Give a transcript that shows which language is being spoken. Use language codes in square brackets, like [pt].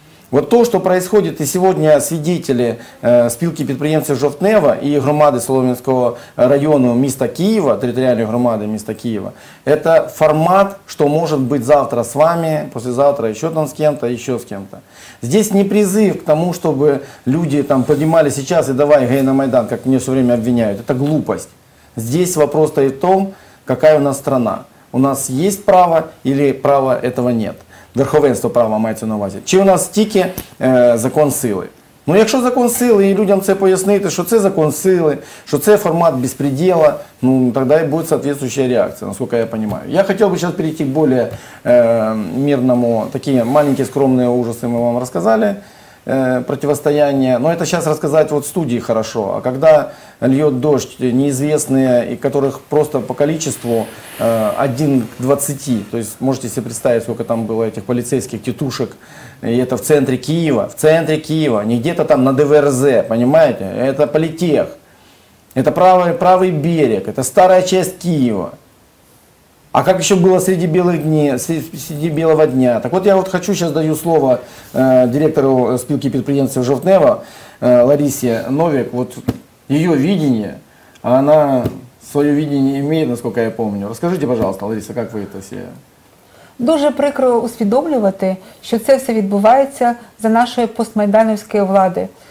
[ru] Вот то, что происходит, и сегодня свидетели спилки предприемцев Жовтнева и громады [uk] Солом'янського району міста Києва, [ru] територіальної громади міста Києва, это формат, что может быть завтра с вами, послезавтра еще там с кем-то, еще с кем-то. Здесь не призыв к тому, чтобы люди там поднимали сейчас и давай гей на Майдан, как меня все время обвиняют. Это глупость. Здесь вопрос стоит в том, какая у нас страна. У нас есть право или права этого нет. [uk] Верховенство права мається на увазі. Чи у нас тільки закон сили? Ну, якщо закон сили, і людям це пояснити, що це закон сили, що це формат безпреділа, ну, тоді і буде відповідна реакція, наскільки я розумію. Я хотів би зараз перейти к більш мирному, такі маленькі скромні ужаси ми вам розказали, [ru] противостояние, но это сейчас рассказать вот в студии хорошо, а когда льет дождь, неизвестные, и которых просто по количеству 1 к 20, то есть можете себе представить, сколько там было этих полицейских тетушек, и это в центре Киева, не где-то там на ДВРЗ, понимаете, это политех, это правый берег, это старая часть Киева. А как еще было среди белых дней, среди белого дня? Так вот, я вот хочу, сейчас даю слово директору спилки предприятия Жовтнева Ларисе Новик. Вот ее видение, она свое видение имеет, насколько я помню. Расскажите, пожалуйста, Лариса, как вы это все... [uk] Дуже прикро усвідомлювати, що це все відбувається за нашої постмайдановської влади.